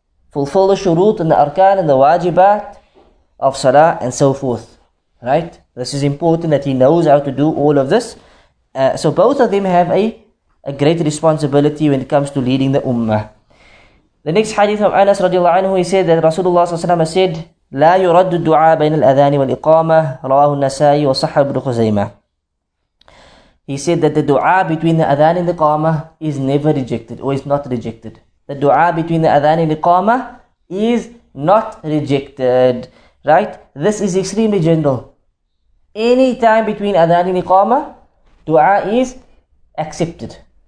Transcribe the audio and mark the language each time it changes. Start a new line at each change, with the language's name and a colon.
English: Fulfill the shurut and the arkan and the wajibat of salah and so forth. Right? This is important that he knows how to do all of this. So both of them have a great responsibility when it comes to leading the ummah. The next hadith of Anas radiallahu anhu, he said that Rasulullah s.a.w.
Arabic: said, لا يرد الدعاء بين الأذان والإقامة رواه النسائي وصح ابن خزيمة.
English: He said that the dua between the adhan and the qama is never rejected or is not rejected. The dua between the adhan and the qama is not rejected. Right? This is extremely general. Any time between adhan and iqama, dua is accepted.